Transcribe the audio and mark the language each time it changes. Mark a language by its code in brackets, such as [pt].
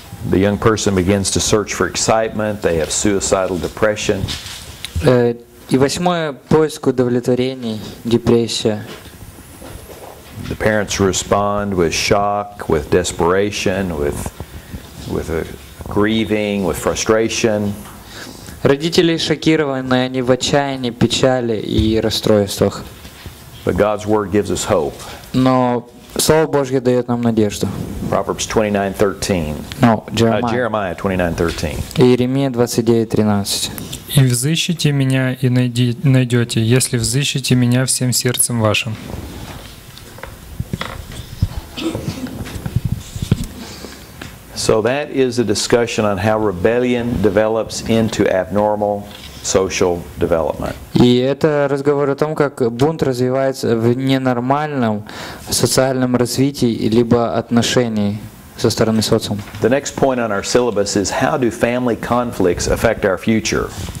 [en] The young person begins to search for excitement. They have suicidal depression. [ru] И восьмое, поиск удовлетворений, депрессия. [en] The parents respond with shock, with desperation, with a grieving, with frustration. [ru] Родители шокированы, они в отчаянии, печали и расстройствах. [en] But God's word gives us hope. [ru] Но Слово Божье дает нам надежду. [en] Proverbs 29:13. No, Jeremiah. Jeremiah 29:13. [ru] Иеремия 29:13. И взыщите меня и найдете, если взыщите меня всем сердцем вашим. [en] So that is a discussion on how rebellion develops into abnormal social development. [ru] И это разговор о том, как бунт развивается в ненормальном социальном развитии либо отношении со стороны социума. [en] The next point on our syllabus is how do family conflicts affect our future?